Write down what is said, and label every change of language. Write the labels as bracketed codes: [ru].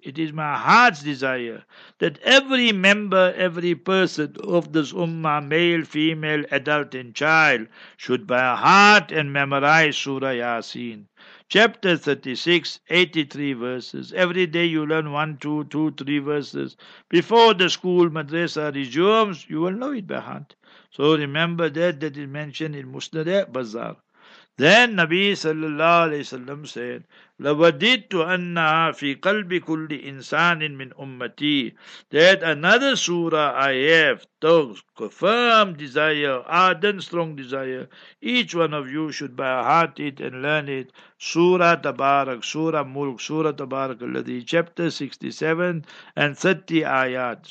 [en] It is my heart's desire that every member, every person of this ummah, male, female, adult and child, should by heart and memorize Surah Yasin. Chapter 36, 83 verses. Every day you learn 1, 2, 3 verses. Before the school madrasa resumes, you will know it by heart. So remember that is mentioned in Musnad Bazar. Then Nabi sallallahu alayhi wa sallam said, [ar] لَوَدِدْتُ أَنَّهَا فِي قَلْبِ كُلِّ إِنسَانٍ مِّنْ أُمَّتِي. [en] That another surah I have, the firm desire, ardent strong desire, each one of you should by heart it and learn it. Surah Tabarak, Surah Mulk, Surah Tabarak al-Ladhi, chapter 67 and 30 ayat.